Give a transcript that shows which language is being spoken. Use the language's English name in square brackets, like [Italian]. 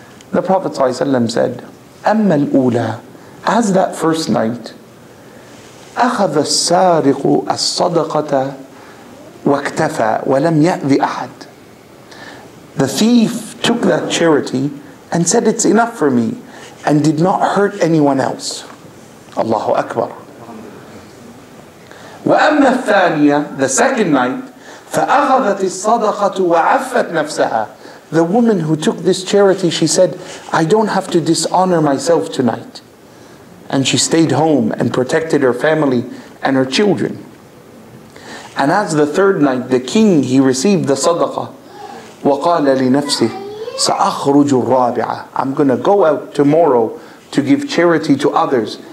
[English] The Prophet ﷺ said, [Arabic] أما الأولى, [English] as that first night, [Arabic] أخذ السارق الصدقة واكتفى ولم يأذي أحد. [English] The thief took that charity and said, it's enough for me, and did not hurt anyone else. Allahu Akbar. [Arabic] وأما الثانية, [English] the second night, [Arabic] فأخذت الصدقة وعفت نفسها. [English] The woman who took this charity, she said, I don't have to dishonor myself tonight. And she stayed home and protected her family and her children. And as the third night, the king, he received the sadaqah. [Arabic] وَقَالَ لِنَفْسِهِ سَأَخْرُجُ الرَّابِعَةِ [English] I'm going to go out tomorrow to give charity to others.